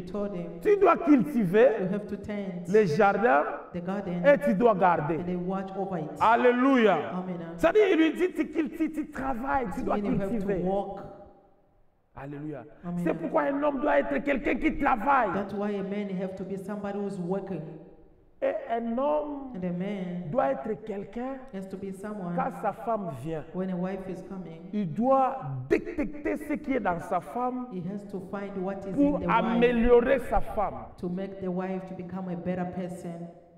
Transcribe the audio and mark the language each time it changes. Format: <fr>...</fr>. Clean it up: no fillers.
<en>he told him,</en> <fr>tu dois cultiver</fr> <en>you have to tend</en> <fr>le jardin</fr> <en>the garden,</en> <fr>et tu dois garder.</fr> <en>And watch over it. Alléluia. Amen.</en> <fr>C'est-à-dire, il lui dit, tu travailles, tu dois cultiver.</fr> <en>You have to walk. Alléluia. Amen.</en> <fr>C'est pourquoi un homme doit être quelqu'un qui travaille.</fr> <en>That's why a man have to be somebody who's working.</en> <fr>Et un homme</fr> <en>and a man</en> <fr>doit être quelqu'un</fr> <en>has to be someone</en> <fr>quand sa femme vient.</fr> <en>When a wife is coming,</en> <fr>il doit détecter ce qui est dans sa femme</fr> <en>he has to find what is</en> <fr>pour</fr> <en>in the</en> <fr>améliorer</fr> <en>wife</en> <fr>sa femme.</fr> <en>To make the wife to become a better person.</en>